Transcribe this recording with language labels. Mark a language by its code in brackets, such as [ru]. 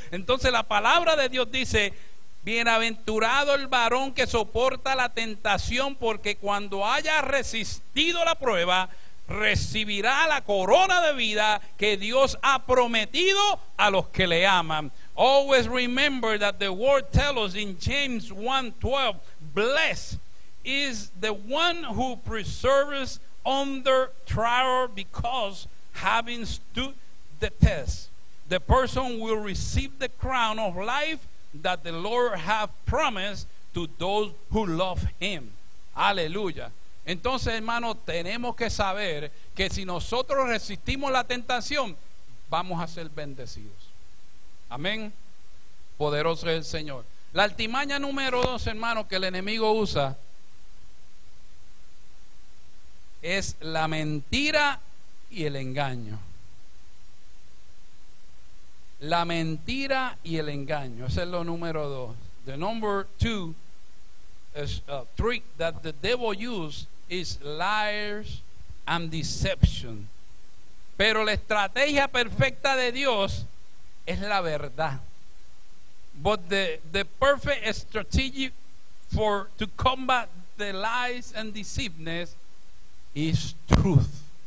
[es] Entonces la palabra de Dios dice: bienaventurado el varón que soporta la tentación, porque cuando haya resistido la prueba, recibirá la corona de vida que Dios ha prometido a los que le aman. [en] Always remember that the word tells us in James 1:12, blessed is the one who perseveres under trial, because having stood the test, the person will receive the crown of life that the Lord has promised to those who love him. [es] Aleluya. Entonces, hermano, tenemos que saber que si nosotros resistimos la tentación, vamos a ser bendecidos. Amén. Poderoso es el Señor. La artimaña número dos, hermano, que el enemigo usa es la mentira y el engaño. La mentira y el engaño. Ese es lo número dos. [en] The number two is a trick that the devil uses is liars and deception. [es] Pero la estrategia perfecta de Dios es la verdad. [en] But the perfect strategy for to combat the lies and deceitfulness is truth.